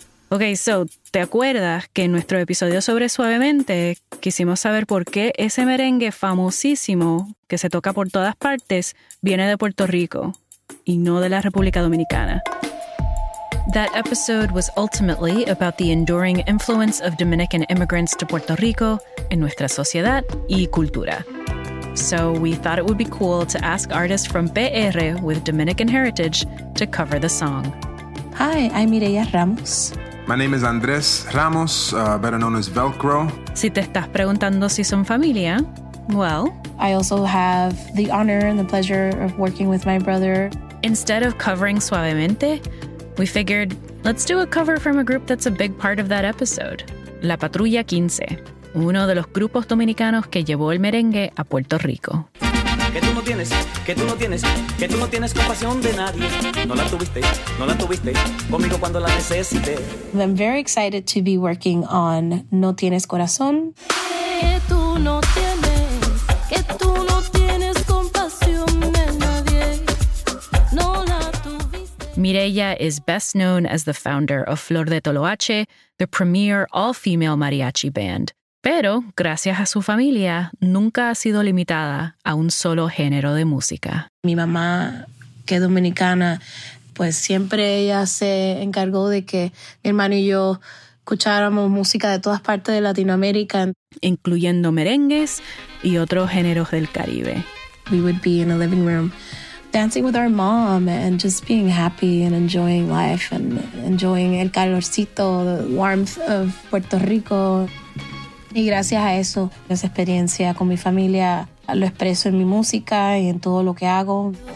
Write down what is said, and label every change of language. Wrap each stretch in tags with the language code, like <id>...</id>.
<es>Okay, so, ¿te acuerdas que en nuestro episodio sobre Suavemente quisimos saber por qué ese merengue famosísimo que se toca por todas partes viene de Puerto Rico y no de la República Dominicana?</es> <en>That episode was ultimately about the enduring influence of Dominican immigrants to Puerto Rico</en> <es>en nuestra sociedad y cultura.</es> <en>So we thought it would be cool to ask artists from PR with Dominican heritage to cover the song. Hi, I'm Mireya Ramos. My name is Andres Ramos, better known as Velcro.</en> <es>Si te estás preguntando si son familia,</es> <en>well... I also have the honor and the pleasure of working with my brother. Instead of covering Suavemente, we figured, let's do a cover from a group that's a big part of that episode.</en> <es>La Patrulla 15, uno de los grupos dominicanos que llevó el merengue a Puerto Rico. que tú no tienes, que tú no tienes compasión de nadie. No la tuviste, no la tuviste conmigo cuando la necesité.</es> <en>I'm very excited to be working on No Tienes Corazón.</en> <es>Que tú no tienes, que tú no tienes compasión de nadie. No la tuviste.</es> <en>Mireya is best known as the founder of Flor de Toloache, the premier all-female mariachi band.</en> <es>Pero, gracias a su familia, nunca ha sido limitada a un solo género de música. Mi mamá, que es dominicana, pues siempre ella se encargó de que mi hermano y yo escucháramos música de todas partes de Latinoamérica. Incluyendo merengues y otros géneros del Caribe.</es> <en>We would be in a living room dancing with our mom and just being happy and enjoying life and enjoying</en> <es>el calorcito,</es> <en>the warmth of Puerto Rico.</en> <es>Y gracias a eso, esa experiencia con mi familia, lo expreso en mi música y en todo lo que hago.</es>